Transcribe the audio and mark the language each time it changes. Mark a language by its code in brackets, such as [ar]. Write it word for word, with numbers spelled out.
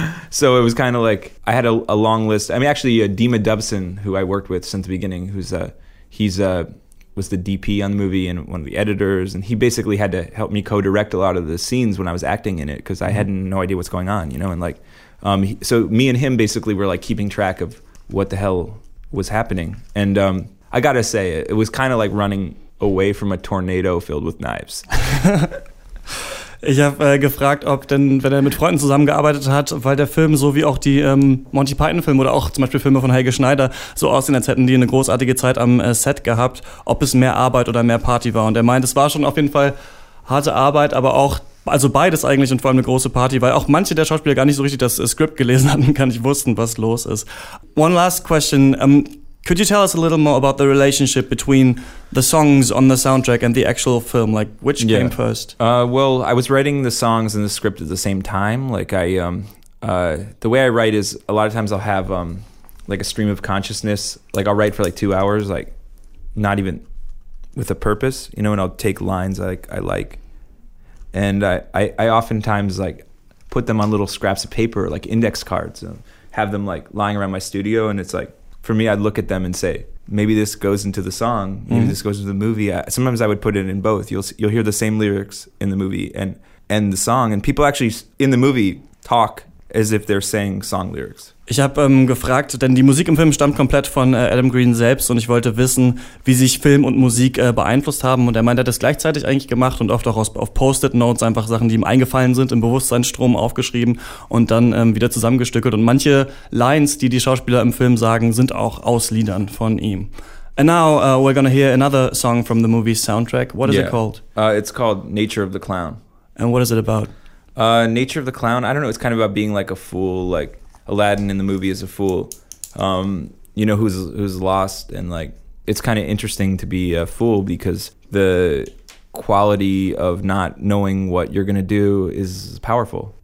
[en] So it was kind of like I had a, a long list. I mean, actually, uh, Dima Dubson, who I worked with since the beginning, who's uh, he's uh, was the D P on the movie and one of the editors, and he basically had to help me co-direct a lot of the scenes when I was acting in it because I had no idea what's going on, you know. And like, um, he, so me and him basically were like keeping track of what the hell was happening. And um, I gotta say, it, it was kind of like running away from a tornado filled with knives. [de] Ich habe äh, gefragt, ob denn, wenn er mit Freunden zusammengearbeitet hat, weil der Film so wie auch die ähm, Monty Python-Filme oder auch zum Beispiel Filme von Helge Schneider so aussehen, als hätten die eine großartige Zeit am äh, Set gehabt, ob es mehr Arbeit oder mehr Party war. Und er meint, es war schon auf jeden Fall harte Arbeit, aber auch, also beides eigentlich und vor allem eine große Party, weil auch manche der Schauspieler gar nicht so richtig das äh, Skript gelesen hatten, gar nicht wussten, was los ist. [en] One last question. [de] Um, [en] Could you tell us a little more about the relationship between the songs on the soundtrack and the actual film? Like, which yeah. came first? Uh, well, I was writing the songs and the script at the same time. Like, I, um, uh, the way I write is a lot of times I'll have um, like a stream of consciousness. Like, I'll write for like two hours, like not even with a purpose, you know. And I'll take lines like I like, and I, I, I oftentimes like put them on little scraps of paper, like index cards, and have them like lying around my studio. And it's like, for me, I'd look at them and say, maybe this goes into the song, maybe mm-hmm. this goes into the movie. I, sometimes I would put it in both. You'll you'll hear the same lyrics in the movie and, and the song, and people actually in the movie talk as if they're saying song lyrics. [de] Ich habe ähm, gefragt, denn die Musik im Film stammt komplett von äh, Adam Green selbst, und ich wollte wissen, wie sich Film und Musik äh, beeinflusst haben. Und er meinte, er hat das gleichzeitig eigentlich gemacht und oft auch aus, auf Post-it-Notes einfach Sachen, die ihm eingefallen sind, im Bewusstseinsstrom aufgeschrieben und dann ähm, wieder zusammengestückelt. Und manche Lines, die die Schauspieler im Film sagen, sind auch aus Liedern von ihm. [en] And now uh, we're gonna hear another song from the movie's soundtrack. What is yeah. it called? Uh, it's called Nature of the Clown. And what is it about? Uh, Nature of the Clown, I don't know, it's kind of about being like a fool, like Aladdin in the movie is a fool, um, you know, who's who's lost, and like it's kind of interesting to be a fool because the quality of not knowing what you're gonna do is powerful.